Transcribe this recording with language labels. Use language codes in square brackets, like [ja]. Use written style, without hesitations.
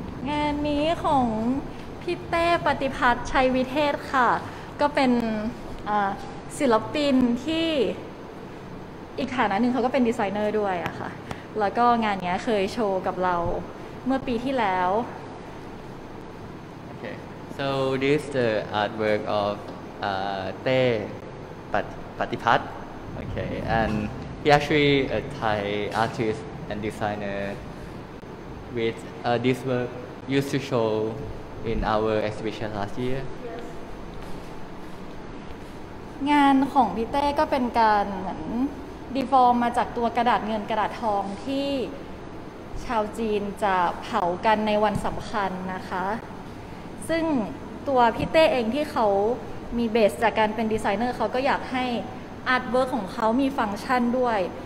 [th] งานนี้ของพี่เต้ปฏิพัฒน์ชัยวิเทศค่ะก็เป็นศิลปินที่อีกฐานะหนึ่งเขาก็เป็นดีไซเนอร์ด้วยอะค่ะแล้วก็งานนี้เคยโชว์กับเราเมื่อปีที่แล้ว [en] Okay. So this is the artwork ofTe Patipat, okay, and he actually a Thai artist and designer with this work used to show in our exhibition last year. Yes. [th] งานของพี่เต้ก็เป็นการเหมือนดีฟอร์มมาจากตัวกระดาษเงินกระดาษทองที่ชาวจีนจะเผากันในวันสำคัญนะคะซึ่งตัวพี่เต้เองที่เขามีเบสจากการเป็นดีไซเนอร์เขาก็อยากให้อาร์ตเวิร์คของเขามีฟังก์ชันด้วย